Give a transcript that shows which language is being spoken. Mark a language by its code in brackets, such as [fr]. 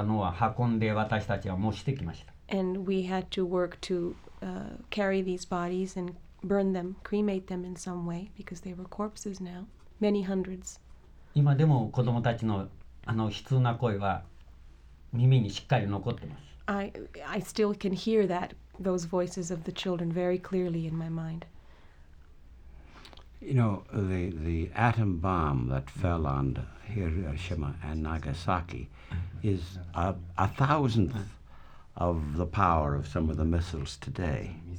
[ja] そういう子供を何百という死体になったのを運んで私たちは持ってきました。 [en] And we had to work to carry these bodies and burn them, cremate them in some way, because they were corpses now, many hundreds. [ja] 今でも子供たちのあの悲痛な声は耳にしっかり残ってます。 [en] I still can hear those voices of the children very clearly in my mind. You know, the atom bomb that fell on Hiroshima and Nagasaki is a thousandth of the power of some of the missiles today.